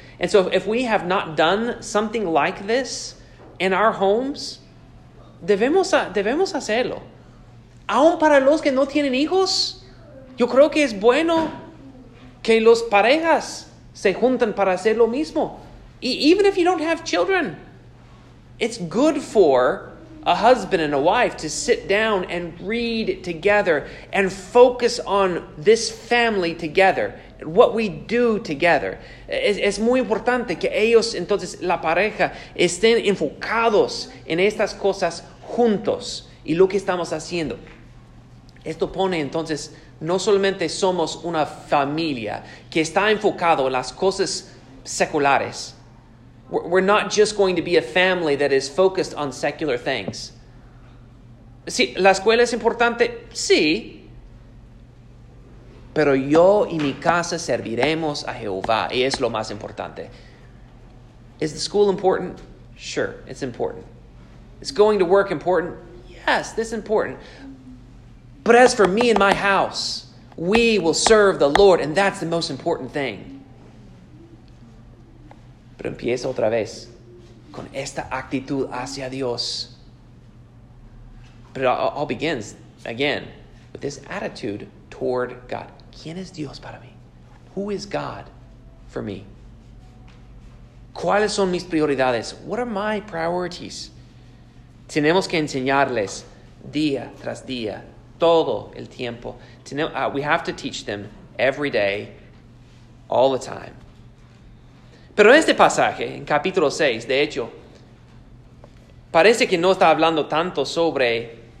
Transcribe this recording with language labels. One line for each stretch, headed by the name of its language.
English: And so if we have not done something like this in our homes,
Spanish: debemos hacerlo. Aún para los que no tienen hijos, yo creo que es bueno que los parejas se junten para hacer lo mismo.
English: Even if you don't have children, it's good for a husband and a wife to sit down and read together and focus on this family together, what we do together.
Spanish: Es muy importante que ellos, entonces, la pareja, estén enfocados en estas cosas juntos y lo que estamos haciendo. Esto pone entonces, no solamente somos una familia que está enfocado en las cosas seculares.
English: We're not just going to be a family that is focused on secular things.
Spanish: Sí, la escuela es importante, sí. Pero yo y mi casa serviremos a Jehová, y es lo más importante.
English: Is the school important? Sure, it's important. Is going to work important? Yes, this is important. But as for me and my house, we will serve the Lord, and that's the most important thing.
Spanish: Pero empieza otra vez con esta actitud hacia Dios.
English: But it all begins again with this attitude toward God.
Spanish: ¿Quién es Dios para mí?
English: Who is God for me?
Spanish: ¿Cuáles son mis prioridades?
English: What are my priorities?
Spanish: Tenemos que enseñarles día tras día. Todo el tiempo.
English: We have to teach them every day, all the time.
Spanish: Pero este pasaje, en capítulo 6, de hecho, parece que no está hablando tanto sobre...